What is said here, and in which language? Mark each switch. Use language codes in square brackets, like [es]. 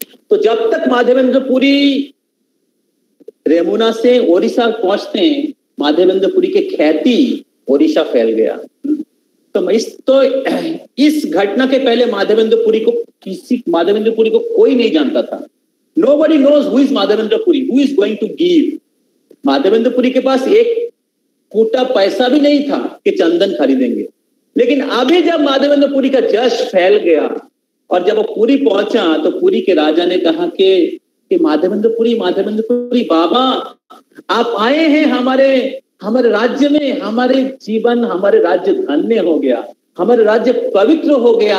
[hi] तो जब तक माधवेंद्रपुरी रेमुना से ओडिशा पहुंचते हैं, माधवेंद्रपुरी के ख्याति ओडिशा फैल गया। तो इस घटना के पहले माधवेंद्रपुरी को कोई नहीं जानता था। [en] Nobody knows who is Madhavendra Puri, who is going to give। [hi] Madhavendrapuri के पास एक कूटा पैसा भी नहीं था कि चंदन खरीदेंगे। लेकिन अभी जब माधवेंद्रपुरी का जश फैल गया और जब वो पुरी पहुंचा तो पुरी के राजा ने कहा कि माधवेंद्रपुरी बाबा आप आए हैं हमारे हमारे राज्य में, हमारे जीवन हमारे राज्य धन्य हो गया, हमारे राज्य पवित्र हो गया।